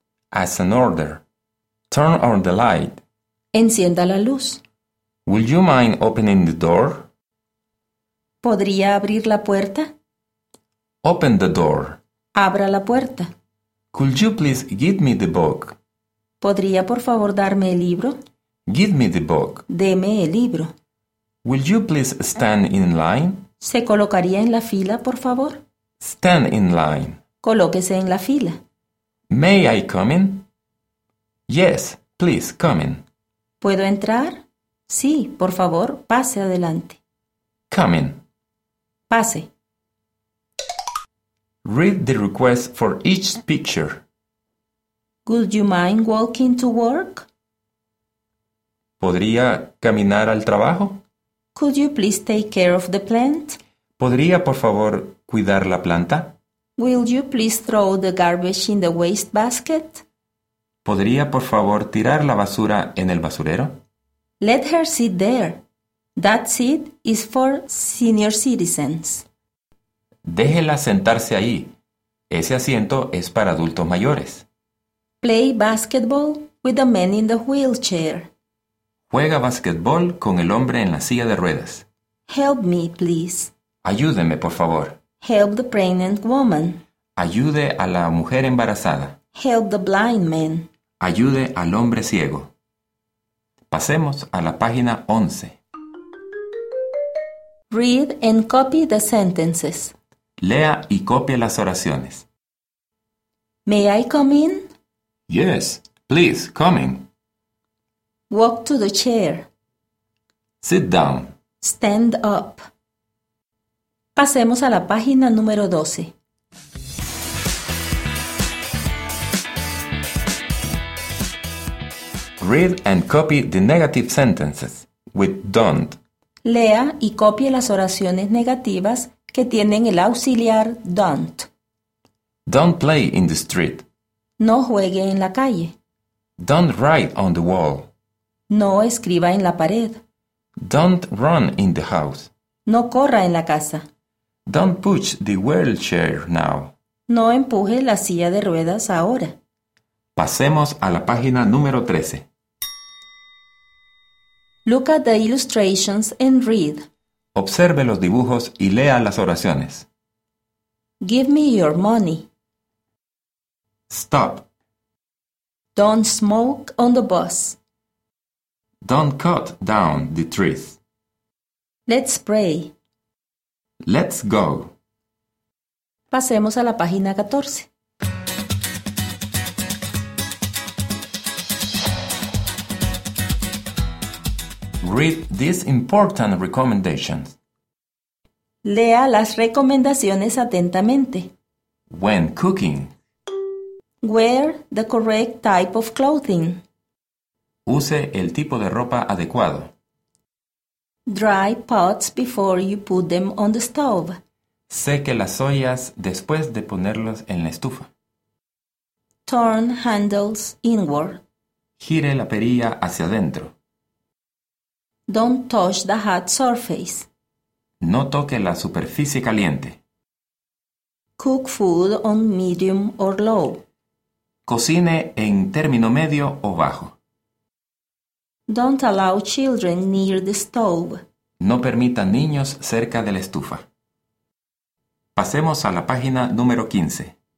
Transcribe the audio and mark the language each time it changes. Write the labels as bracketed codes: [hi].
[en] As an order. Turn on the light. [es] Encienda la luz. [en] Would you mind opening the door? [es] ¿Podría abrir la puerta? [en] Open the door. [es] Abra la puerta. [en] Could you please give me the book? [es] ¿Podría por favor darme el libro? [en] Give me the book. [es] Deme el libro. [en] Will you please stand in line? [es] ¿Se colocaría en la fila, por favor? [en] Stand in line. [es] Colóquese en la fila. [en] May I come in? Yes, please come in. [es] ¿Puedo entrar? Sí, por favor, pase adelante. [en] Come in. [es] Pase. [en] Read the request for each picture. Would you mind walking to work? [es] ¿Podría caminar al trabajo? [en] Could you please take care of the plant? [es] ¿Podría, por favor, cuidar la planta? [en] Will you please throw the garbage in the waste basket? [es] ¿Podría, por favor, tirar la basura en el basurero? [en] Let her sit there. That seat is for senior citizens. [es] Déjela sentarse ahí. Ese asiento es para adultos mayores. [en] Play basketball with the man in the wheelchair. [es] Juega basketball con el hombre en la silla de ruedas. [en] Help me, please. [es] Ayúdeme, por favor. [en] Help the pregnant woman. [es] Ayude a la mujer embarazada. [en] Help the blind man. [es] Ayude al hombre ciego. Pasemos a la página 11. [en] Read and copy the sentences. [es] Lea y copie las oraciones. [en] May I come in? Yes, please, come in. Walk to the chair. Sit down. Stand up. [es] Pasemos a la página número 12. [en] Read and copy the negative sentences with don't. [es] Lea y copie las oraciones negativas que tienen el auxiliar don't. [en] Don't play in the street. [es] No juegue en la calle. [en] Don't write on the wall. [es] No escriba en la pared. [en] Don't run in the house. [es] No corra en la casa. [en] Don't push the wheelchair now. [es] No empuje la silla de ruedas ahora. Pasemos a la página número 13. [en] Look at the illustrations and read. [es] Observe los dibujos y lea las oraciones. [en] Give me your money. Stop. Don't smoke on the bus. Don't cut down the trees. Let's pray. Let's go. [es] Pasemos a la página 14. [en] Read these important recommendations. [es] Lea las recomendaciones atentamente. [en] When cooking. Wear the correct type of clothing. [es] Use el tipo de ropa adecuado. [en] Dry pots before you put them on the stove. [es] Seque las ollas después de ponerlas en la estufa. [en] Turn handles inward. [es] Gire la perilla hacia adentro. [en] Don't touch the hot surface. [es] No toque la superficie caliente. [en] Cook food on medium or low. [es] Cocine en término medio o bajo. [en] Don't allow children near the stove. [es] No permita niños cerca de la estufa. Pasemos a la página número 15.